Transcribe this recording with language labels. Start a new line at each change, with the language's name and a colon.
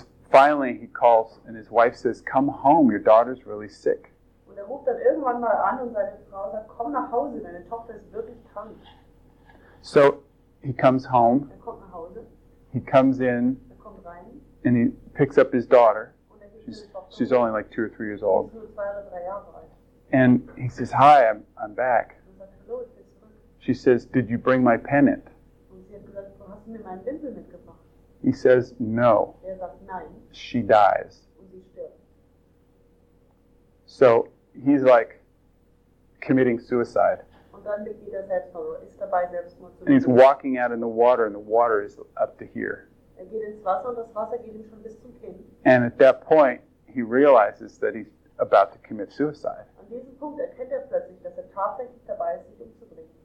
English: Finally, he calls and his wife says, come home, your daughter's really sick.
German: Und er ruft dann irgendwann mal an und seine Frau sagt, komm nach Hause, deine Tochter ist wirklich krank.
English: So he comes home.
German: Er kommt nach Hause.
English: He comes in.
German: Er kommt rein.
English: And he picks up his daughter.
German: Und er
English: she's only like 2 or 3 years old.
German: Sie ist nur 2 oder 3 Jahre alt.
English: And he says, hi, I'm back.
German: Und sagt, hallo, ich bin zurück.
English: She says, did you bring my pennant?
German: Und sie hat gesagt, du hast mir meinen Wimpel mitgebracht.
English: He says, no.
German: Er sagt, nein.
English: She dies.
German: Und sie stirbt.
English: So he's like committing suicide.
German: Und dann begeht er Selbstmord. Ist dabei, Selbstmord zu
English: and he's walking out in the water, and the water is up to here.
German: Er geht ins Wasser, und das Wasser geht ihm schon bis zum Kinn.
English: And at that point, he realizes that he's about to commit suicide.
German: An diesem Punkt erkennt er plötzlich, dass er tatsächlich dabei ist, sich umzubringen.